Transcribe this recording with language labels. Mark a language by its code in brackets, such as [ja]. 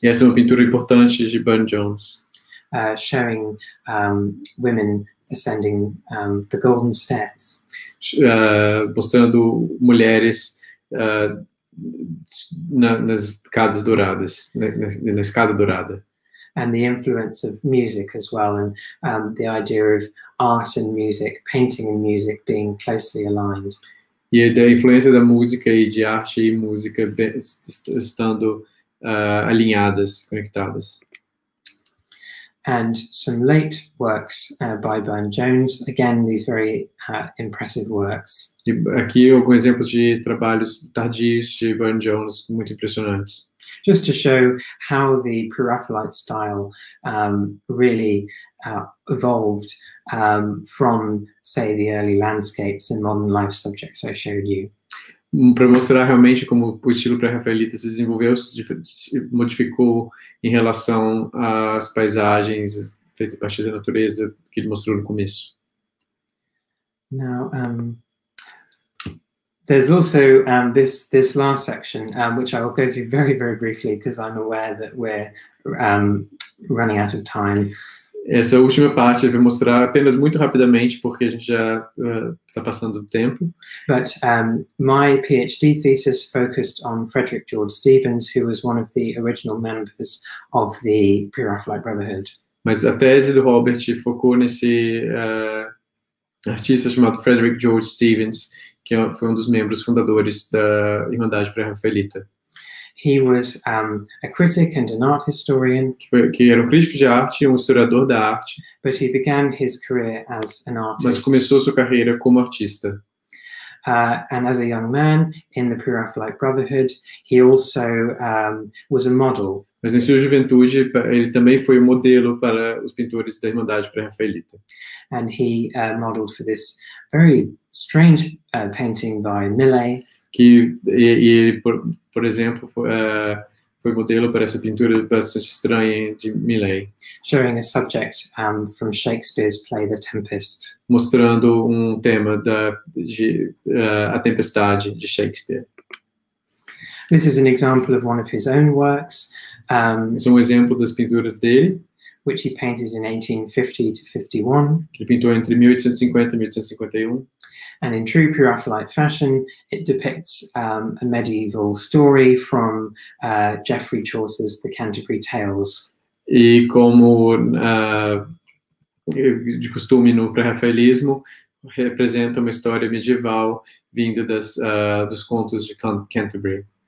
[pt] E essa é uma pintura importante de Burne Jones. [en] Showing women ascending the golden stairs. [pt] Mostrando mulheres nas escadas douradas, na escada dourada. [en] And the influence of music as well, and the idea of art and music, painting and music being closely aligned. [pt] E a influência da música e de arte e música estando alinhadas, conectadas. [en] And some late works by Burne Jones. Again, these very impressive works. [pt] Aqui alguns exemplos de trabalhos tardios de Burne Jones, muito impressionantes. [en] Just to show how the Pre-Raphaelite style really evolved from, say, the early landscapes and modern life subjects I showed you. [pt] Para mostrar realmente como o estilo pré-rafaelita se desenvolveu, se modificou em relação às paisagens feitas a partir da natureza que ele mostrou no começo. [en] Now, There's also this last section, which I will go through very, very briefly because I'm aware that we're running out of time. [pt] Essa última parte eu vou mostrar apenas muito rapidamente porque a gente já está passando do tempo. [en] But my PhD thesis focused on Frederick George Stevens, who was one of the original members of the Pre-Raphaelite Brotherhood. [pt] Mas a tese do Robert focou nesse artista chamado Frederick George Stevens, que foi um dos membros fundadores da Irmandade Pré-Rafaelita. [en] He was a critic and an art historian. [pt] Que era um crítico de arte e um historiador da arte. [en] But he began his career as an artist. [pt] Mas começou sua carreira como artista. [en] And as a young man in the Pre-Raphaelite Brotherhood, he also was a model. [pt] Mas em sua juventude, ele também foi um modelo para os pintores da Irmandade Pré-Rafaelita. [en] And he modeled for this very strange painting by Millet. [pt] Que ele, por exemplo, foi modelo para essa pintura bastante estranha de Millet. [en] Showing a subject from Shakespeare's play The Tempest. [pt] Mostrando um tema de A Tempestade de Shakespeare. [en] This is an example of one of his own works. [pt] Esse é um exemplo das pinturas dele. [en] Which he painted in 1850-51. [pt] Que ele pintou entre 1850 e 1851. [en] And in true Pre-Raphaelite fashion, it depicts a medieval story from Geoffrey Chaucer's The Canterbury Tales. [pt] E como de costume no pré-rafaelismo, representa uma história medieval vinda dos contos de Canterbury.